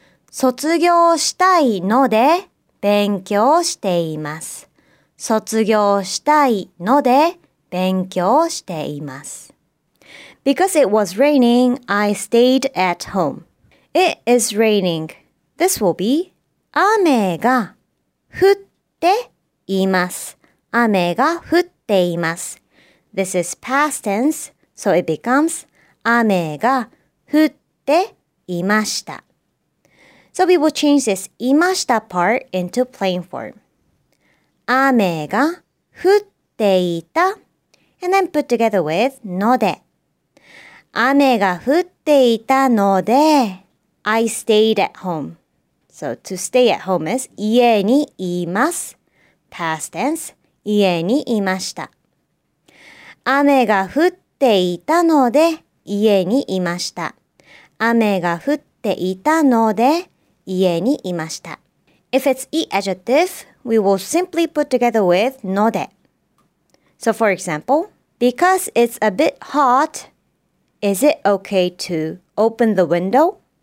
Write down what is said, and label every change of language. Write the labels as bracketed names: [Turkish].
[Japanese] 卒業したいので勉強しています。卒業したいので勉強しています。 [English] Because it was raining, I stayed at home. It is raining. This will be [Japanese] 雨が降っています。雨が降っています。 [English] This is past tense, so it becomes [Japanese] 雨が降っていました。 [English] So we will change this いました part into plain form. [Japanese] 雨が降っていた [English] and then put together with ので。 [Japanese] 雨が降っていたので [English] I stayed at home. So to stay at home is [Japanese] 家にいます。 [English] Past tense [Japanese] 家にいました。雨が降っていたので家にいました。雨が降っていたので家にいました。 [English] If it's e adjective, we will simply put together with ので. So for example, because it's a bit hot, is it okay to open the window?